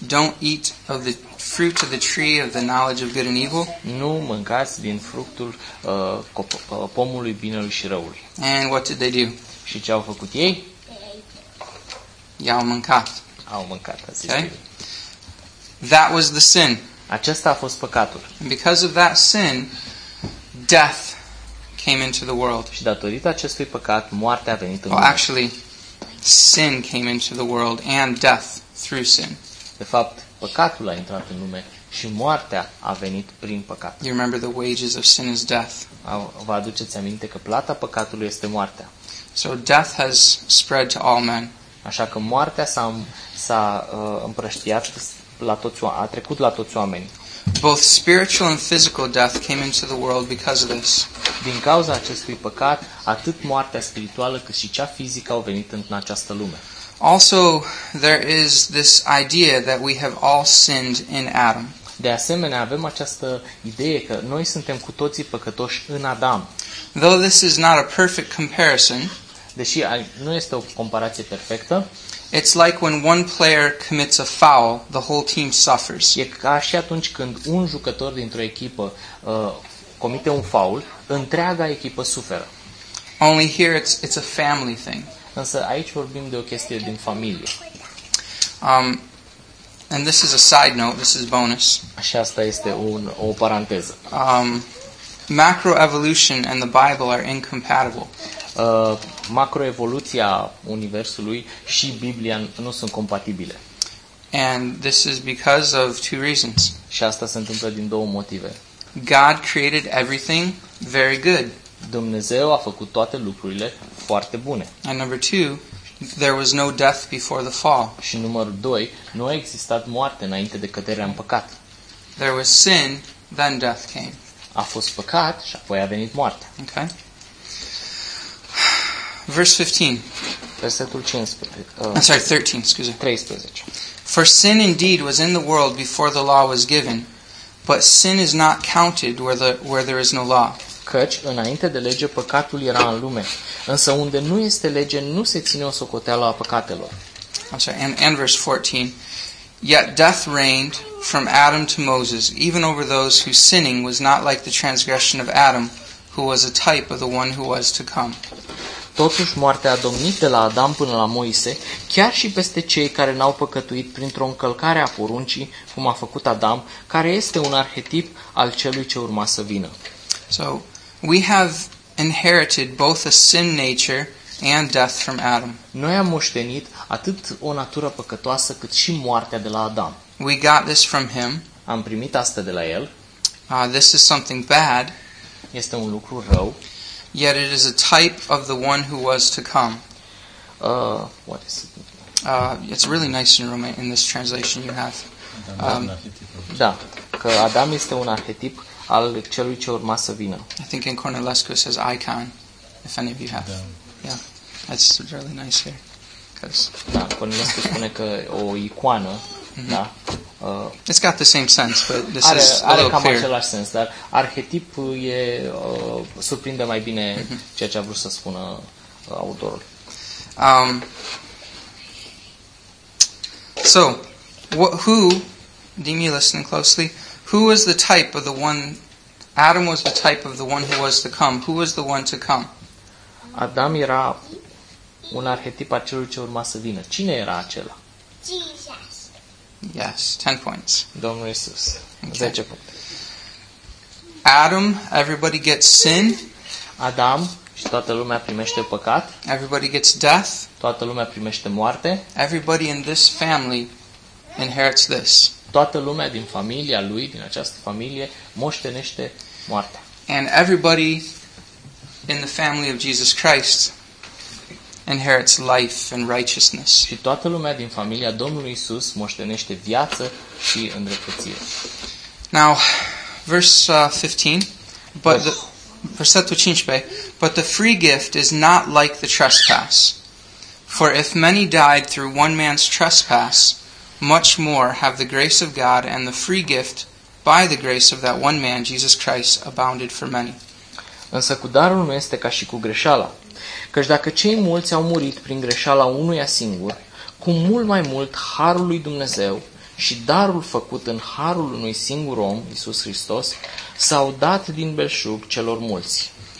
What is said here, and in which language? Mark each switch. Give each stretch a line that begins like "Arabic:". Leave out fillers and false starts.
English: Don't eat of the fruit of the tree of the knowledge of good and evil.
Romanian: Nu mâncați din fructul pomului binelui și răului. And what did they do? Și ce au făcut ei? I-au mâncat. Au mâncat, a zis. Okay.
English: That was the sin.
Romanian: Acesta a fost păcatul.
English: And because of that sin, death came into the world.
Romanian: Și datorită acestui păcat, moartea a venit în lume.
English: Well, actually, sin came into the world and death through sin.
Romanian: De fapt, păcatul a intrat în lume și moartea a venit prin păcat.
English: You remember the wages of sin is death.
Romanian: Vă aduceți aminte că plata păcatului este moartea.
English: So death has spread to all men.
Romanian: Așa că moartea s-a împrăștiat la toți, a trecut la toți oamenii.
English: Both spiritual and physical death came into the world because of this.
Romanian: Din cauza acestui păcat, atât moartea spirituală cât și cea fizică au venit în această lume.
English: Also, there is this idea that we have all sinned in Adam.
Romanian: De asemenea, avem această idee că noi suntem cu toții păcătoși în Adam.
English: Though this is not a perfect comparison,
Romanian: deși nu este o comparație perfectă,
English: it's like when one player commits a foul, the whole team suffers.
Romanian: E ca și atunci când un jucător dintr-o echipă comite un foul, întreaga echipă suferă.
English: Only here it's a family thing.
Romanian: Însă aici vorbim de o chestie din familie.
English: And this is a side note, this is bonus.
Romanian: Și asta este o paranteză.
English: Macroevolution and the Bible are incompatible.
Romanian: macroevoluția universului și Biblia nu sunt compatibile.
English: And this is because of two reasons.
Romanian: Și asta se întâmplă din două motive.
English: God created everything very good.
Romanian: Dumnezeu a făcut toate lucrurile foarte bune.
English: And number two, there was no death before the fall.
Romanian: Și numărul 2, nu a existat moarte înainte de căderea în păcat.
English: There was sin, then death came.
Romanian: A fost păcat și apoi a venit moartea.
English: Okay. Verse 13. For sin indeed was in the world before the law was given, but sin is not counted where there is no law.
Romanian: Căci înainte de lege păcatul era în lume, însă unde nu este lege nu se ține o socoteală a păcatelor.
English: And verse 14. Yet death reigned from Adam to Moses, even over those whose sinning was not like the transgression of Adam, who was a type of the one who was to come.
Romanian: Totuși, moartea a domnit de la Adam până la Moise, chiar și peste cei care n-au păcătuit printr-o încălcare a poruncii, cum a făcut Adam, care este un arhetip al celui ce urma să vină.
English: So, we have inherited both a sin nature and death from Adam.
Romanian: Noi am moștenit atât o natură păcătoasă cât și moartea de la Adam.
English: We got this from him.
Romanian: Am primit asta de la el.
English: This is something bad.
Romanian: Este un lucru rău.
English: Yet it is a type of the one who was to come. What is it? It's really nice in Roman in this translation you have.
Romanian: Da, că Adam este un arhetip al celui ce urma să vină.
English: I think in Cornelescu it says icon, if any of you have. Yeah, that's really nice here.
Romanian: Da, Cornelescu spune că o icoană. Da.
English: It's got the same sense, but this
Romanian: are,
English: is a
Romanian: are
English: little clearer.
Romanian: Are cam același sens, dar arhetipul e surprinde mai bine ceea ce a vrut să spună autorul.
English: Who, Dimi, listening closely, who was the type of the one? Adam was the type of the one who was to come. Who was the one to come?
Romanian: Adam era un arhetip a celui ce urma să vină. Cine era acela?
English: Yes, 10 points.
Romanian: Domnul Iisus. Okay. 10 puncte.
English: Adam, everybody gets sin.
Romanian: Adam și toată lumea primește păcat.
English: Everybody gets death.
Romanian: Toată lumea primește moarte.
English: Everybody in this family inherits this.
Romanian: Toată lumea din familia lui, din această familie, moștenește moartea.
English: And everybody in the family of Jesus Christ inherits life and righteousness.
Romanian: Și toată lumea din familia Domnului Iisus moștenește viață și îndreptățire.
English: Now, versetul 15, but the free gift is not like the trespass. For if many died through one man's trespass, much more have the grace of God and the free gift by the grace of that one man, Jesus Christ, abounded for many.
Romanian: Însă cu darul nu este ca și cu greșeala. Căci dacă cei mulți au murit prin greșeala unuia singur, cu mult mai mult harul lui Dumnezeu și darul făcut în harul unui singur om, Iisus Hristos, s-au dat din belșug celor mulți.